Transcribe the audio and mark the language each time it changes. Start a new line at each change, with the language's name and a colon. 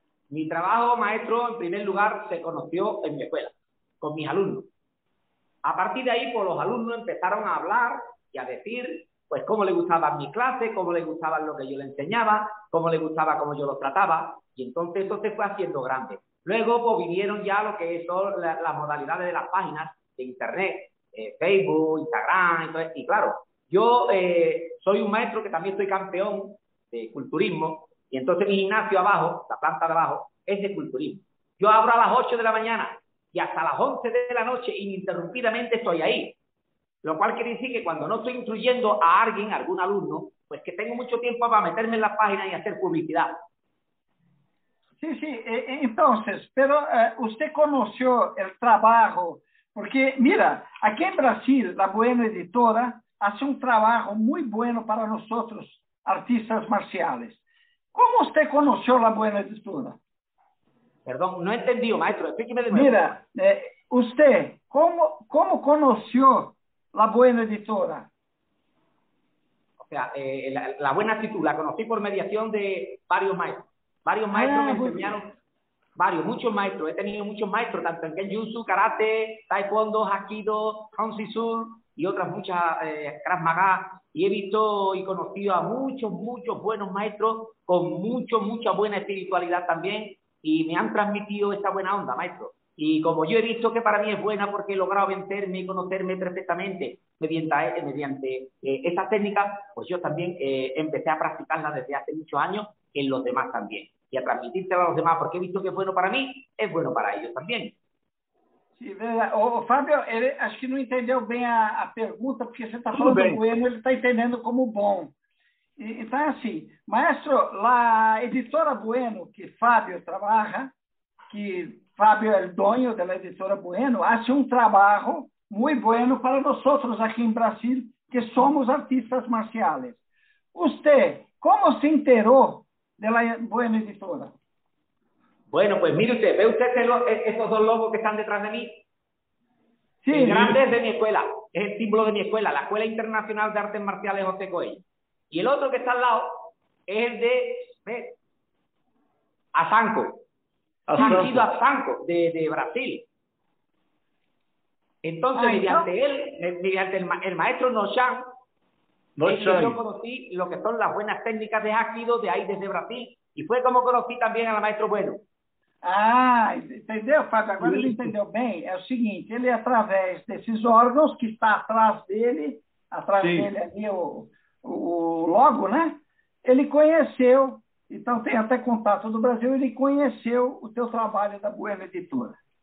Portuguese: Mi trabalho, maestro, em primeiro lugar, se conheceu em minha escola, com meus alunos. A partir daí, pues, os alunos começaram a falar e a dizer, pues, como lhe gostava a minha classe, como lhe gostava o que eu lhe ensinava, como lhe gostava como eu os tratava. E então, isso se foi fazendo grande.
Spanish: Luego pues, vinieron ya lo que son las modalidades de las páginas de internet, Facebook, Instagram, entonces, y claro, yo soy un maestro que también soy campeón de culturismo, y entonces mi gimnasio abajo, la planta de abajo, es de culturismo. Yo abro a las 8 de la mañana y hasta las 11 de la noche ininterrumpidamente estoy ahí. Lo cual quiere decir que cuando no estoy instruyendo a alguien, a algún alumno, pues que tengo mucho tiempo para meterme en las páginas y hacer publicidad.
Portuguese: Sim, sim. Então, pero você conheceu o trabalho, porque, mira, aqui em Brasil, a Boêmia Editora faz um trabalho muito bom para nós, artistas marciais. Como você conheceu a Boêmia Editora? Perdão, não entendi, maestro. Explique-me de novo. Mira, você, como conheceu a Boêmia Editora?
Spanish: O sea,
Portuguese: a Boêmia Editora, la conheci por mediação de vários maestros.
Spanish: Varios maestros me enseñaron, varios, muchos maestros. He tenido muchos maestros, tanto en Kenjutsu, Karate, Taekwondo, Hapkido, Honshinshu y otras muchas, Krav Maga. Y he visto y conocido a muchos, muchos buenos maestros con mucho, mucha buena espiritualidad también. Y me han transmitido esa buena onda, maestro. Y como yo he visto que para mí es buena porque he logrado vencerme y conocerme perfectamente mediante esa técnica, pues yo también empecé a practicarla desde hace muchos años en los demás también. Y a transmitírsela a los demás, porque he visto que es bueno para mí, es bueno para ellos también. Sí, verdad. Fábio,
Portuguese: acho que
Spanish: no entendeu bien la pregunta, porque usted está hablando bueno, él está entendiendo como bom. Entonces, así, maestro, la editora Bueno que Fábio trabaja,
Portuguese: que Fábio é o dono da editora Bueno, hace um trabalho muito bueno para nós aqui em Brasil, que somos artistas marciais. Você, como se enterou da Bueno Editora?
Spanish: Bueno, pues mire usted, ve usted esos dos logos que están detrás de mí. Sí. El grande es de mi escuela, es el símbolo de mi escuela, la Escuela Internacional de Artes Marciales José Coello. Y el otro que está al lado es el de Asanco. Hapkido Asanco, de Brasil. Entonces, mediante el maestro Nochan, yo conocí lo que son las buenas técnicas de Hapkido de ahí, desde Brasil, y fue como conocí también al maestro Bueno.
Portuguese: entendeu, Fábio? Agora ele entendeu bem. É o seguinte, ele através desses órgãos que está atrás dele, dele ali o logo, né? Ele conheceu, então tem até contato do Brasil, ele conheceu o teu trabalho da Bueno Editora.